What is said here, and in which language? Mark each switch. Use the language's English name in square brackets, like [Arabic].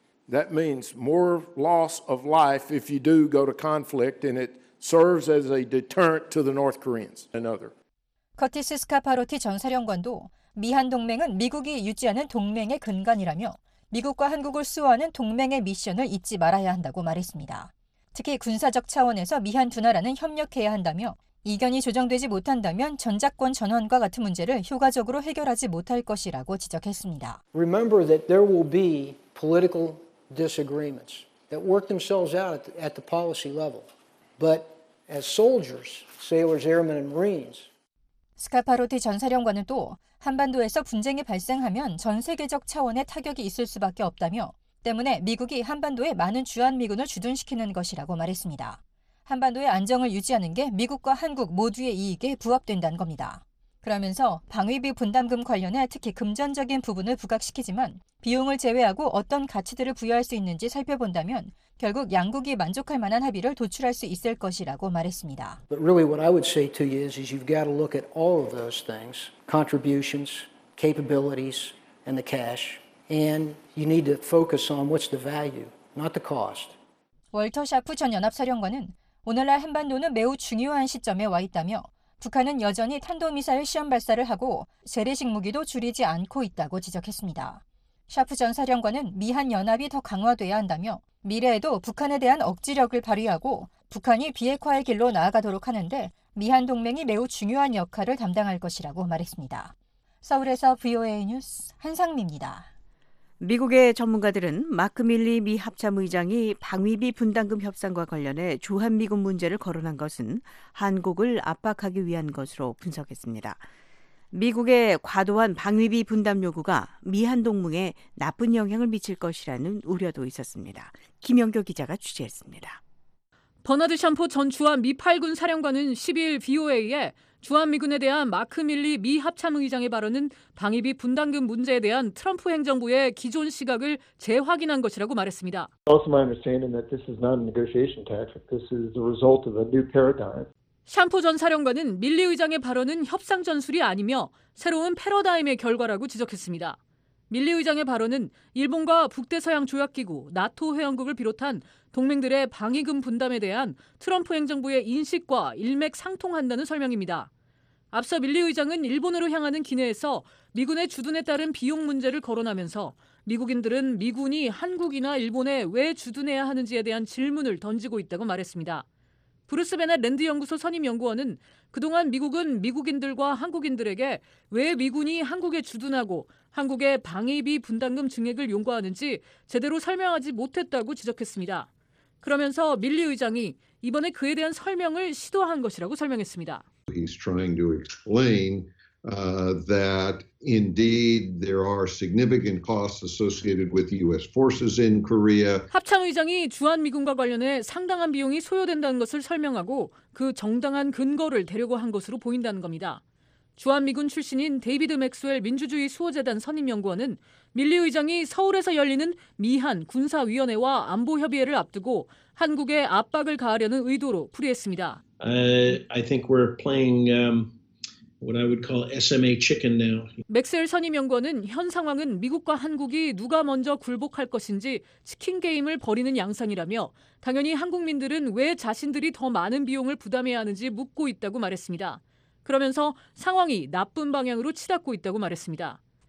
[English] That means more loss of life if you do go to conflict and it serves as a deterrent to the North Koreans and other. [Korean] 커티스 스카파로티 전 사령관도 미한 동맹은 미국이 유지하는 동맹의 근간이라며 미국과 한국을 수호하는 동맹의 미션을 잊지 말아야 한다고 말했습니다. 특히 군사적 차원에서 미한 두 나라는 협력해야 한다며 이견이 조정되지 못한다면 전작권 전환과 같은 문제를 효과적으로 해결하지 못할 것이라고 지적했습니다. [English] Remember that there will be political disagreements that work themselves out at the policy level. But as soldiers, sailors, airmen and marines [Korean] 스카파로티 전사령관은 또 한반도에서 분쟁이 발생하면 전 세계적 차원의 타격이 있을 수밖에 없다며 때문에 미국이 한반도에 많은 주한미군을 주둔시키는 것이라고 말했습니다. 한반도의 안정을 유지하는 게 미국과 한국 모두의 이익에 부합된다는 겁니다. 그러면서 방위비 분담금 관련해 특히 금전적인 부분을 부각시키지만 비용을 제외하고 어떤 가치들을 부여할 수 있는지 살펴본다면 결국 양국이 만족할 만한 합의를 도출할 수 있을 것이라고 말했습니다. [English] But really what I would say to you is you've got to look at all of those things, contributions, capabilities, and the cash, and you need to focus on what's the value, not the cost. [Korean] 월터 샤프 전 연합사령관은 오늘날 한반도는 매우 중요한 시점에 와 있다며 북한은 여전히 탄도미사일 시험 발사를 하고 재래식 무기도 줄이지 않고 있다고 지적했습니다. 샤프 전 사령관은 미한 연합이 더 강화돼야 한다며 미래에도 북한에 대한 억지력을 발휘하고 북한이 비핵화의 길로 나아가도록 하는데 미한 동맹이 매우 중요한 역할을 담당할 것이라고 말했습니다. 서울에서 VOA 뉴스 한상미입니다. 미국의 전문가들은 마크 밀리 미 합참의장이 방위비 분담금 협상과 관련해 주한미군 문제를 거론한 것은 한국을 압박하기 위한 것으로 분석했습니다. 미국의 과도한 방위비 분담 요구가 미한 동맹에 나쁜 영향을 미칠 것이라는 우려도 있었습니다. 김영교 기자가 취재했습니다. 버나드 샴포 전 주한 미 8군 사령관은 12일 VOA에 주한미군에 대한 마크 밀리 미 합참의장의 발언은 방위비 분담금 문제에 대한 트럼프 행정부의 기존 시각을 재확인한 것이라고 말했습니다. [English] Also my understanding that this is not a negotiation tactic. This is the result of a new paradigm. [Korean] 샴포 전 사령관은 밀리 의장의 발언은 협상 전술이 아니며 새로운 패러다임의 결과라고 지적했습니다. 밀리 의장의 발언은 일본과 북대서양 조약기구, 나토 회원국을 비롯한 동맹들의 방위금 분담에 대한 트럼프 행정부의 인식과 일맥 상통한다는 설명입니다. 앞서 밀리 의장은 일본으로 향하는 기내에서 미군의 주둔에 따른 비용 문제를 거론하면서 미국인들은 미군이 한국이나 일본에 왜 주둔해야 하는지에 대한 질문을 던지고 있다고 말했습니다. 브루스 베넷 랜드 연구소 선임 연구원은 그동안 미국은 미국인들과 한국인들에게 왜 미군이 한국에 주둔하고 한국의 방위비 분담금 증액을 용과하는지 제대로 설명하지 못했다고 지적했습니다. 그러면서 밀리 의장이 이번에 그에 대한 설명을 시도한 것이라고 설명했습니다. [English] He's trying to explain that indeed there are significant costs associated with U.S. forces in Korea. [Korean] 합창 의장이 주한 미군과 관련해 상당한 비용이 소요된다는 것을 설명하고 그 정당한 근거를 대려고 한 것으로 보인다는 겁니다. 주한미군 출신인 데이비드 맥스웰 민주주의 수호재단 선임연구원은 밀리 의장이 서울에서 열리는 미한 군사위원회와 안보협의회를 앞두고 한국에 압박을 가하려는 의도로 풀이했습니다. [English] I think we're playing what I would call SMA chicken now. [Korean] 맥스웰 선임연구원은 현 상황은 미국과 한국이 누가 먼저 굴복할 것인지 치킨 게임을 벌이는 양상이라며 당연히 한국민들은 왜 자신들이 더 많은 비용을 부담해야 하는지 묻고 있다고 말했습니다. 그러면서 상황이 나쁜 방향으로 치닫고 있다고 말했습니다.